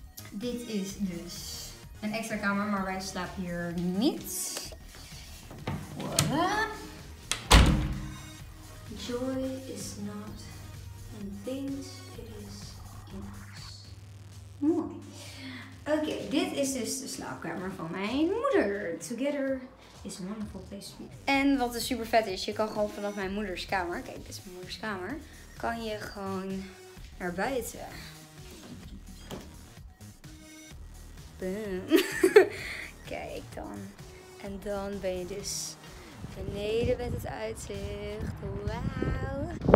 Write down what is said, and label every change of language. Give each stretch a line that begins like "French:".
Dutch: Dit is dus een extra kamer, maar wij slapen hier niet. Voilà.
English: Joy is not in things, it is in us.
Dutch: Mooi. Oké, dit is dus de slaapkamer van mijn moeder.
English: Together is a wonderful place to be.
Dutch: En wat dus super vet is, je kan gewoon vanaf mijn moeders kamer, kijk, dit is mijn moeders kamer, kan je gewoon naar buiten. Boom. Kijk dan. En dan ben je dus beneden met het uitzicht. Wauw.